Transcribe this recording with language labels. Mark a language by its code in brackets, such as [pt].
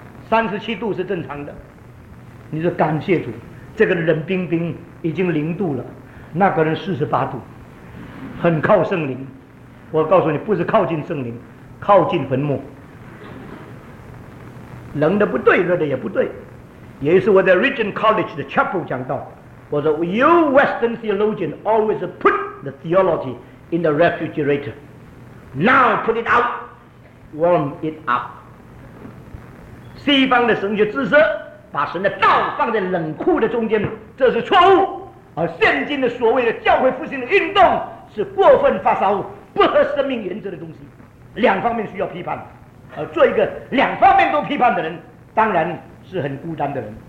[zh] 37度是正常的，你说感谢主，这个冷冰冰已经0度了，那个人48度，很靠圣灵。我告诉你，不是靠近圣灵，靠近坟墓。冷的不对，热的也不对。也是我在 Regent College 的 Chapel 讲到，我说 [en] You Western theologian always put the theology in the refrigerator, now put it out, warm it up. [zh] 西方的神学知识把神的道放在冷库的中间，这是错误。而现今的所谓的教会复兴的运动是过分发烧，不合生命原则的东西，两方面需要批判。而做一个两方面都批判的人，当然是很孤单的人。